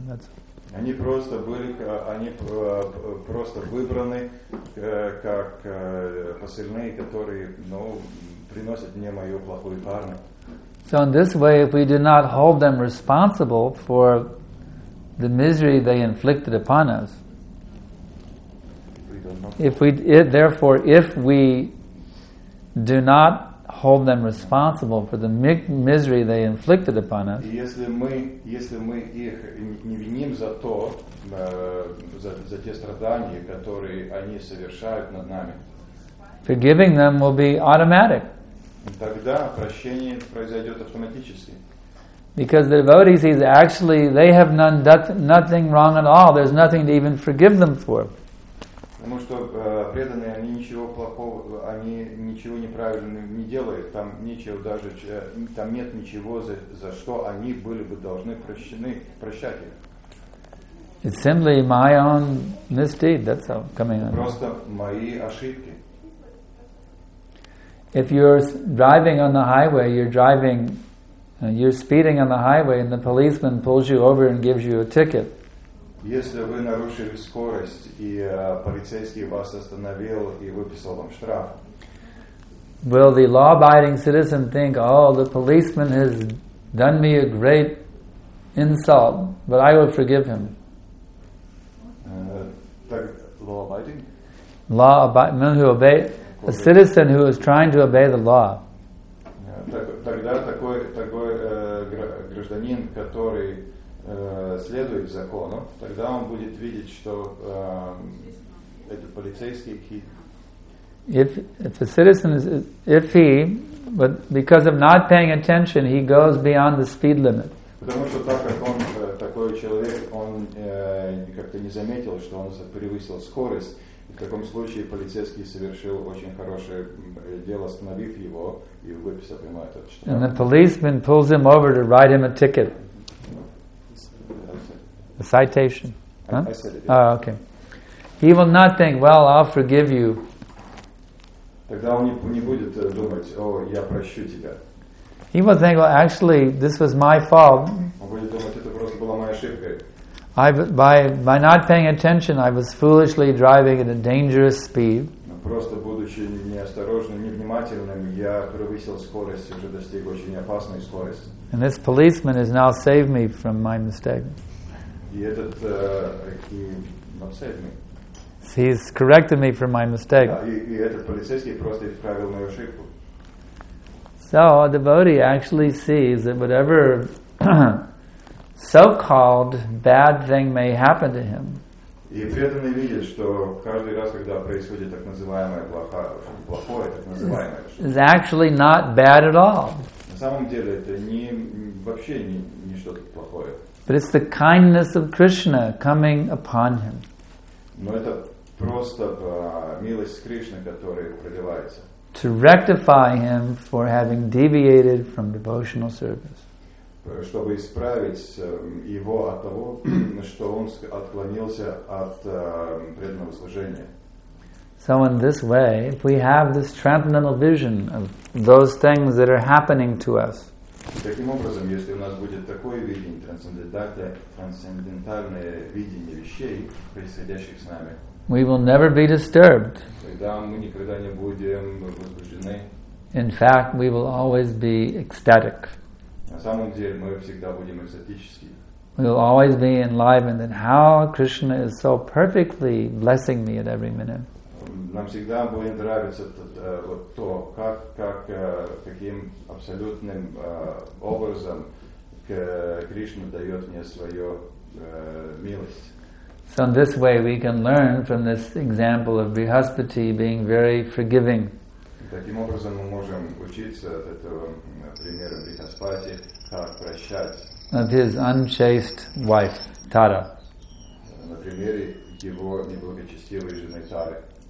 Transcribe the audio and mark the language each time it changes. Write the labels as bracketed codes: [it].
[en] That's [ru] они просто были, они просто выбраны как посыльные, которые, ну, приносят мне мою плохую карму. [en] So in this way, if we do not hold them responsible for the misery they inflicted upon us, if we do not hold them responsible for the misery they inflicted upon us. [ru] Если мы их не виним за то, за те страдания, которые они совершают над нами, [en] forgiving them will be automatic. [ru] Тогда прощение произойдет автоматически. [en] Because the devotee sees actually they have done nothing wrong at all. There's nothing to even forgive them for. [ru] Потому что преданные, они ничего плохого, они ничего неправильного не делают. Там нечего даже, там нет ничего, за что они были бы должны прощены, прощать их. [en] It's simply my own misdeed, that's all coming on. [ru] Просто мои ошибки. [en] If you're driving on the highway, you're speeding on the highway and the policeman pulls you over and gives you a ticket. [ru] Если вы нарушили скорость и полицейский вас остановил и выписал вам штраф, [en] will the law-abiding citizen think, oh, the policeman has done me a great insult, but I will forgive him? [ru] Так, law-abiding? [en] Law-abiding, who obey, a citizen who is trying to obey the law. [ru] Тогда такой гражданин, который следует закону, тогда он будет видеть, что это полицейский кит. [en] If a citizen is, if he, but because of not paying attention, he goes beyond the speed limit. [ru] Потому что так как он такой человек, он как-то не заметил, что он превысил скорость. И в таком случае полицейский совершил очень хорошее дело, остановив его и выписав ему этот штраф. [en] And the policeman pulls him over to write him a ticket. A citation. Huh? I said it. Yeah. Oh, okay. He will not think, well, I'll forgive you. [ru] Тогда он не будет думать, о, я прощу тебя. [en] He will think, well, actually, this was my fault. [ru] Он будет думать, это просто была моя ошибка. [en] By not paying attention, I was foolishly driving at a dangerous speed. [ru] Просто будучи неосторожным, невнимательным, я превысил скорость, уже достиг очень опасной скорости. [en] And this policeman has now saved me from my mistake. He's corrected me for my mistake. So a devotee actually sees that whatever so-called bad thing may happen to him, [ru] и преданный видит, что каждый раз, когда происходит так называемое плохое, так называемое, [en] is actually not bad at all. [ru] самом деле это не вообще не, не что-то плохое. [en] But it's the kindness of Krishna coming upon him. [ru] Но это просто милость Кришны, которая проливается. [en] To rectify him for having deviated from devotional service. [ru] Чтобы исправить его от того, что он отклонился от преданного служения. [en] So in this way, if we have this transcendental vision of those things that are happening to us, [ru] таким образом, если у нас будет такое видение, трансцендентальное видение вещей, происходящих с нами, [en] we will never be disturbed. [ru] Тогда мы никогда не будем возбуждены. [en] In fact, we will always be ecstatic. [ru] На самом деле, мы всегда будем экстатически. [en] We will always be enlivened in how Krishna is so perfectly blessing me at every minute. [ru] Нам всегда будет нравиться то, каким абсолютным образом Кришна дает мне свою милость. [en] So in this way we can learn from this example of Brihaspati being very forgiving. [ru] Таким образом мы можем учиться от этого примера Брихаспати, как прощать. [en] Of his unchaste wife, Тара. [ru] На примере его неблагочестивой жены Тары.